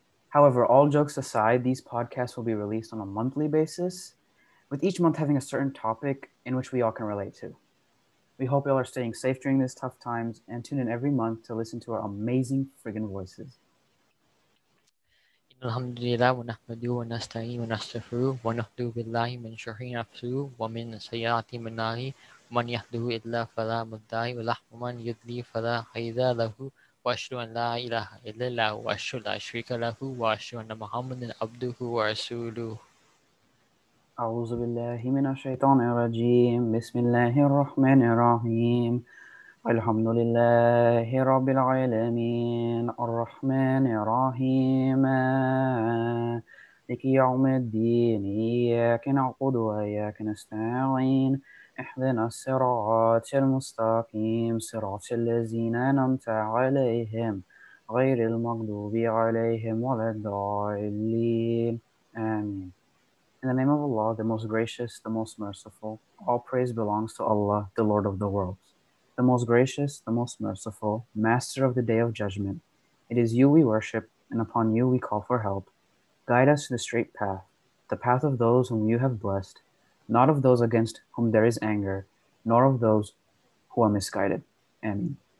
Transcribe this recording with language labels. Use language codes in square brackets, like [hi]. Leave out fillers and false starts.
[en] However, all jokes aside, these podcasts will be released on a monthly basis, with each month having a certain topic in which we all can relate to. We hope y'all are staying safe during these tough times, and tune in every month to listen to our amazing friggin' voices. [ar] الحمد لله ونحمده ونستعين ونستغفره ونحدو بالله من شر نفسه ومن سيئات أعماله من يهده الله فلا مضل له ومن يضلل فلا هادي له وأشهد أن لا إله إلا الله وأشهد أن لا شريك له وأشهد أن محمدا عبده ورسوله أعوذ بالله من الشيطان الرجيم بسم الله الرحمن الرحيم الحمد لله رب العالمين الرحمن الرحيم مالك يوم الدين إياك نعبد وإياك نستعين اهدنا الصراط المستقيم صراط الذين أنعمت عليهم غير المغضوب عليهم ولا الضالين آمين. [en] In the name of Allah, the most gracious, the most merciful, all praise belongs to Allah, the Lord of the worlds. The most gracious, the most merciful, master of the day of judgment. It is you we worship, and upon you we call for help. Guide us to the straight path, the path of those whom you have blessed, not of those against whom there is anger, nor of those who are misguided. Amen.